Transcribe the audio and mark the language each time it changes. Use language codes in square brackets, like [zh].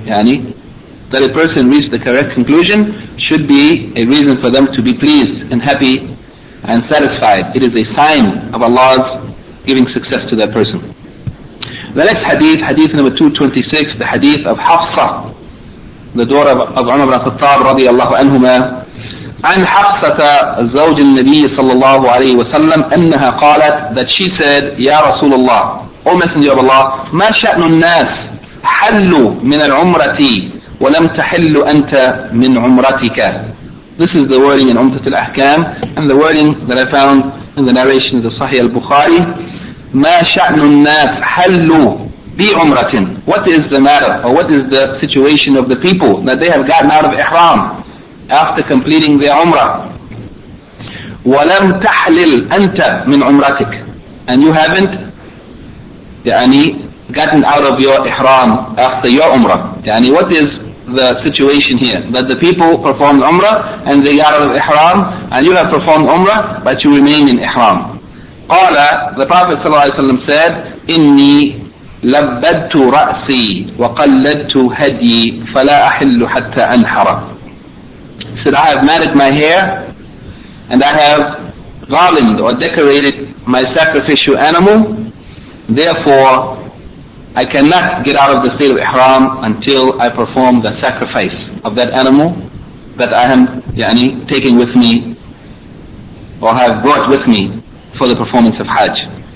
[en] That a person reached the correct conclusion should be a reason for them to be pleased and happy and satisfied. It is a sign of Allah's giving success to that person. The next hadith, hadith number 226, the hadith of Hafsa, the daughter of Umar ibn Khattab radiallahu anhuma. [ar] عن حفصة زوج النبي صلى الله عليه وسلم أنها قالت, [en] that she said, [ar] يا رسول الله, [en] O Messenger of Allah, [ar] ما شأن الناس حلوا من العمرة ولم تحل أنت من عمرتك. [en] This is the wording in Umtat al-Ahkam, and the wording that I found in the narration of the Sahih al-Bukhari. [ar] ما شأن الناس حلوا بعمرة. [en] What is the matter, or what is the situation of the people that they have gotten out of Ihram after completing their Umrah? [ar] وَلَمْ تَحْلِلْ أَنْتَ مِنْ عُمْرَتِكَ, [en] and you haven't gotten out of your Ihram after your Umrah. What is the situation here? That the people performed Umrah and they got out of Ihram, and you have performed Umrah but you remain in Ihram. [ar] قَالَ, [en] the Prophet ﷺ said, [ar] إِنِّي لَبَّدْتُ رَأْسِي وَقَلَّدْتُ هَدْيِي فَلَا أَحِلُّ حَتَّى أَنْحَرَ. [en] That I have matted my hair and I have garlanded or decorated my sacrificial animal, therefore I cannot get out of the state of Ihram until I perform the sacrifice of that animal that I am taking with me or have brought with me for the performance of Hajj.